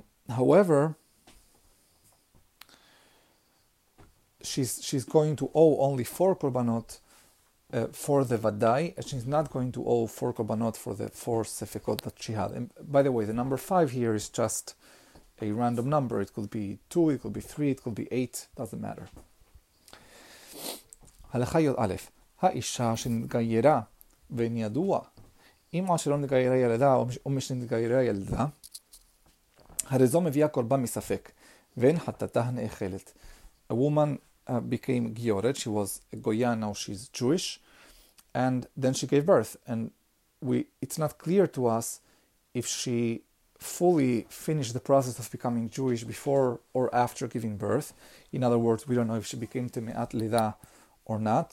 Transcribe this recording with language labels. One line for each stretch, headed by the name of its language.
English: However, she's going to owe only four korbanot, for the vadai, and she's not going to owe four korbanot for the four sefekot that she had. And by the way, the number five here is just a random number. It could be two, it could be three, it could be eight, doesn't matter.
Hebrew: הלכה יוד א', האישה שנתגיירה ונידוע, אמא שלא נתגיירה ילדה או מי שנתגיירה ילדה, הרי זו מביאה קורבן מספק, ואין חטאתה הנאכלת.
English: A woman became גיורת, she was a goya, now she's Jewish, and then she gave birth, and it's not clear to us if she fully finished the process of becoming Jewish before or after giving birth. In other words, we don't know if she became Temeat Lida or not.